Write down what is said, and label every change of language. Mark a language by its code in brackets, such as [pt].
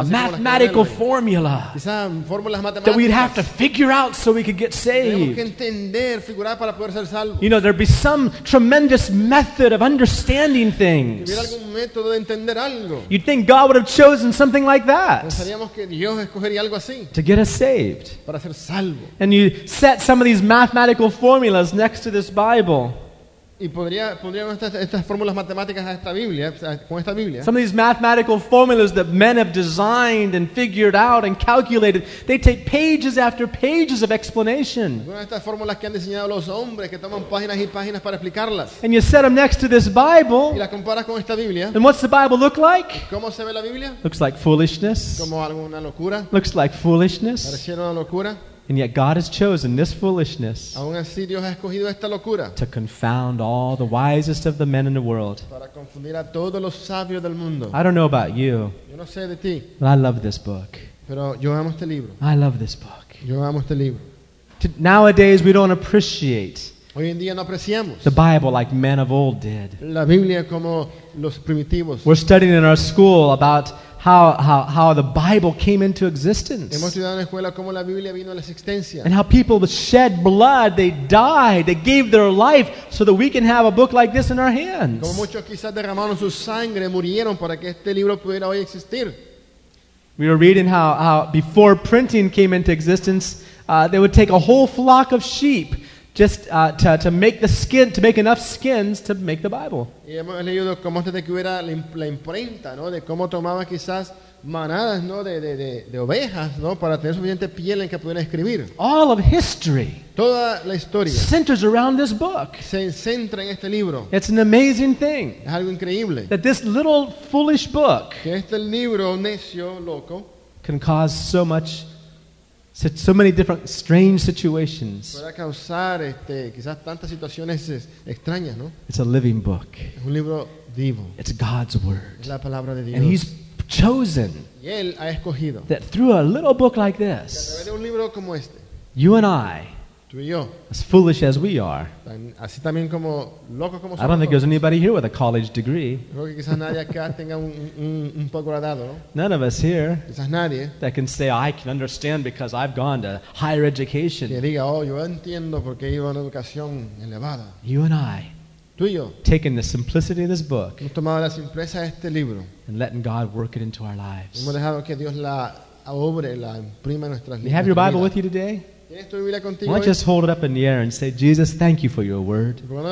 [en] A mathematical formula. [es] Quizás fórmulas matemáticas. [en] That we'd have to figure out so we could get saved. [es] Tenemos que entender, figurar para poder ser salvo. [en] You know, there'd be some tremendous method of understanding things. [es] Hubiera algún método de entender algo. [en] You'd think God would have chosen something like that. [es] Pensaríamos que Dios escogería algo así. [en] To get us saved. [es] Para ser salvo. [en] And you set some of these mathematical formulas next to this Bible. [es] Y pondríamos estas fórmulas matemáticas a esta Biblia, con esta Biblia. [en] Some of these mathematical formulas that men have designed and figured out and calculated, they take pages after pages of explanation. [es] Algunas de estas fórmulas que han diseñado los hombres, que toman páginas y páginas para explicarlas. [en] And you set them next to this Bible. [es] Y la comparas con esta Biblia. [en] And what's the Bible look like? [es] ¿Cómo se ve la Biblia? [en] Looks like foolishness. [es] Como alguna locura. [en] Looks like foolishness. [es] Pareciera una locura. [en] And yet God has chosen this foolishness [es] aún así Dios ha escogido esta locura [en] to confound all the wisest of the men in the world. [es] Para confundir a todos los sabios del mundo. [en] I don't know about you, [es] yo no sé de ti, [en] but I love this book. [es] Pero yo amo este libro. [en] I love this book. [es] Yo amo este libro. [en] Nowadays we don't appreciate [es] hoy en día no apreciamos [en] the Bible like men of old did. [es] La Biblia como los primitivos. [en] We're studying in our school about how the Bible came into existence. [es] Hemos estudiado en la escuela cómo la Biblia vino a la existencia. [en] And how people shed blood, they died, they gave their life so that we can have a book like this in our hands. [es] Como muchos quizás derramaron su sangre, murieron para que este libro pudiera hoy existir. [en] We were reading how before printing came into existence, they would take a whole flock of sheep just to make the skin, to make enough skins to make the Bible. [es] Y hemos leído cómo antes de que hubiera la imprenta, ¿no? De cómo tomaba quizás manadas, ¿no? De ovejas, ¿no? Para tener suficiente piel en que pudieran escribir. [en] All of history. [es] Toda la historia. [en] Centers around this book. [es] Se centra en este libro. [en] It's an amazing thing. [es] Es algo increíble. [en] That this little foolish book. [es] Que este libro necio, loco. [en] Can cause so much. So many different strange situations. [es] Puede causar, quizás tantas situaciones extrañas, ¿no? [en] It's a living book. [es] Es un libro vivo. [en] It's God's word. [es] Es la palabra de Dios. [en] And He's chosen. [es] Y él ha escogido. [en] That through a little book like this. [es] Que a través de un libro como este. [en] You and I. [es] Tú y yo. [en] As foolish as we are. [es] Así también como locos como somos. [en] I don't think there's anybody here with a college degree. [es] Creo que quizás nadie acá tenga un posgrado, ¿no? [en] None of us here. [es] Quizás nadie. [en] That can say I can understand because I've gone to higher education. [es] Que diga, oh, yo entiendo porque iba a una educación elevada. [en] You and I. [es] Tú y yo. [en] Taking the simplicity of this book. [es] Hemos tomado la simpleza de este libro. [en] And letting God work it into our lives. [es] Hemos dejado que Dios la obre, la imprima en nuestras vidas. [en] You have your Bible with you today? Why don't you just hold it up in the air and say, Jesus, thank you for your word.